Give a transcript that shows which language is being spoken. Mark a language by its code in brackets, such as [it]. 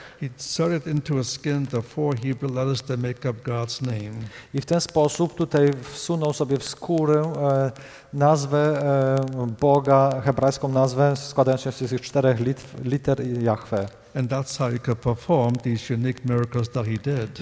[en] He inserted into his skin the four Hebrew letters that make up God's name. [pl] I w ten sposób tutaj wsunął sobie w skórę nazwę Boga, hebrajską nazwę składającą się z tych czterech liter Jahwe. [en] And that's how he could perform these unique miracles that he did.